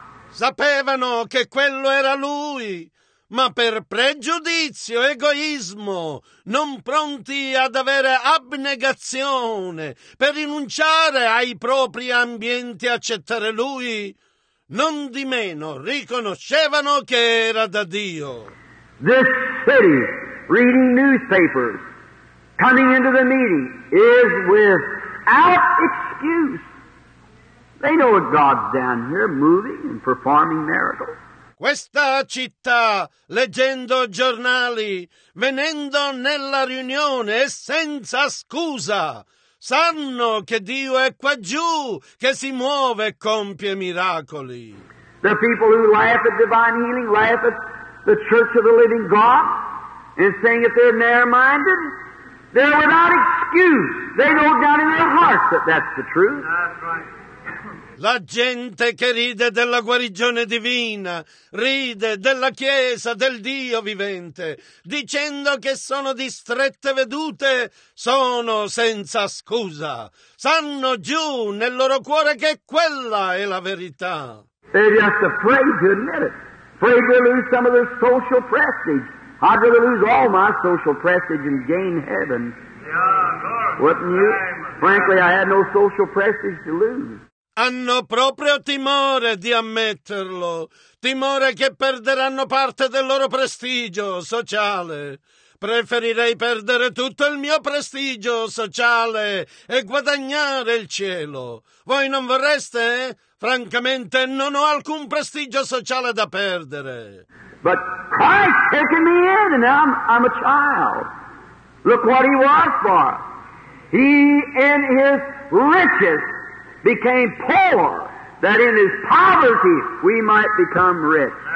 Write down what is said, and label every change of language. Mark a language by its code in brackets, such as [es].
[it] Sapevano che quello era lui, ma per pregiudizio, egoismo, non pronti ad avere abnegazione, per rinunciare ai propri ambienti e accettare lui, non di meno riconoscevano che era da Dio. [en] This city, reading newspapers, coming into the meeting, is without excuse. They know that God's down here moving and performing miracles. [it] Questa città, leggendo giornali, venendo nella riunione e senza scusa, sanno che Dio è qua giù, che si muove e compie miracoli. [en] The people who laugh at divine healing laugh at the Church of the Living God, and saying if they're narrow-minded, they're without excuse. They know down in their hearts that that's the truth. That's right. [it] La gente che ride della guarigione divina, ride della Chiesa, del Dio vivente, dicendo che sono di strette vedute, sono senza scusa. Sanno giù nel loro cuore che quella è la verità. [en] They're just afraid to admit it. Afraid to lose some of their social prestige. I'd rather lose all my social prestige and gain heaven. Yeah, wouldn't you? Frankly, I had no social prestige to lose. [it] Hanno proprio timore di ammetterlo, timore che perderanno parte del loro prestigio sociale. Preferirei perdere tutto il mio prestigio sociale e guadagnare il cielo. Voi non vorreste? Francamente, non ho alcun prestigio sociale da perdere. [en] But Christ taken me in, and I'm a child. Look what he was for. He, in his riches, became poor, that in his poverty we might become rich.